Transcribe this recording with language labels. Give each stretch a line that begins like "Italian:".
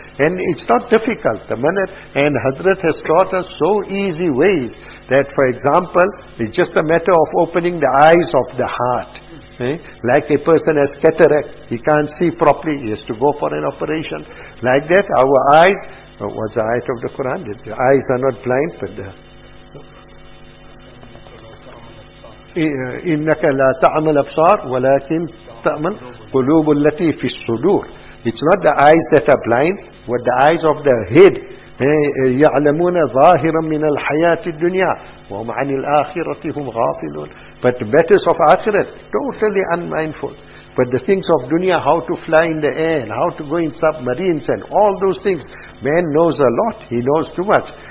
English: And it's not difficult. The manner, and Hazrat has taught us so easy ways that, for example, it's just a matter of opening the eyes of the heart. Like a person has cataract, he can't see properly, he has to go for an operation. Like that, our eyes, what's the ayat of the Quran? The eyes are not blind, but the
Arabic: إِنَّكَ لَا تَعْمَ الْأَبْصَارِ وَلَكِنْ تَعْمَ الْقُلُوبُ الَّتِي فِي الصُّدُورِ.
English: It's not the eyes that are blind, but the eyes of the head.
Arabic: يَعْلَمُونَ ظَاهِرًا مِنَ الْحَيَاةِ الدُّنْيَا وَهُمْ عَنِ الْآخِرَةِ هُمْ غَافِلُونَ.
English: But the matters of akhirat, totally unmindful. But the things of dunya, how to fly in the air, and how to go in submarines, and all those things, man knows a lot, he knows too much.